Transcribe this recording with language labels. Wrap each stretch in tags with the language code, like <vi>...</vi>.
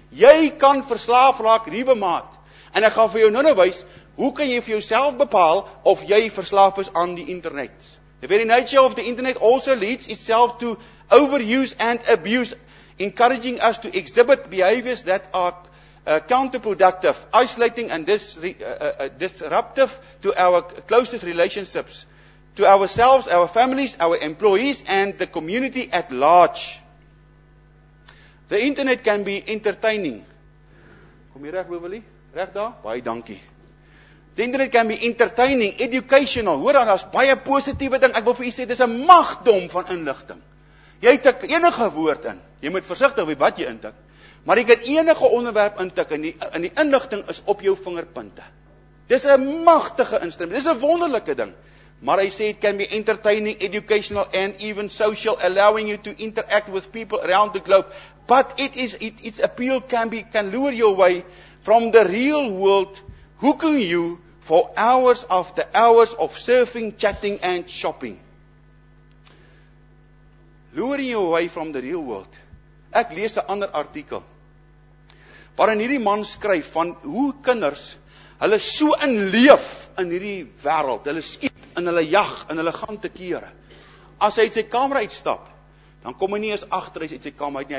<af>Jy kan verslaaf raak, liewe maat. En ek gaan vir jou nou wys, hoe kan jy vir jouself bepaal of jy verslaaf is aan die internet?</af> <en>The very nature of the internet also leads itself to overuse and abuse, encouraging us to exhibit behaviors that are counterproductive, isolating and disruptive to our closest relationships, to ourselves, our families, our employees, and the community at large. The internet can be entertaining.</en> <af>Kom hier reg, Lovely. Reg daar? Baie dankie.</af> <en>The internet can be entertaining, educational.</en> <af>Hoor dan, daar's baie positiewe ding. Ek wil vir u sê, dis 'n magdom van inligting. Jy tik enige woord in. Jy moet versigtig wees wat jy intik. Maar jy kan enige onderwerp intik en die inligting is op jou vingerpunte. Dis 'n magtige instrument. Dis 'n wonderlike ding. Maar hy sê,</af> <en>it can be entertaining, educational and even social, allowing you to interact with people around the globe. But its appeal can lure you away from the real world, hooking you for hours after hours of surfing, chatting and shopping. Luring you away from the real world.</en> <af>Ek lees 'n ander artikel, waarin hierdie man skryf van hoe kinders, hulle so inleef in hierdie wêreld, hulle skiet, en hulle jag en hulle gaan te kere. As hy uit sy kamer uitstap, dan kom hy nie eens agter hy uit sy kamer uit nie.</af>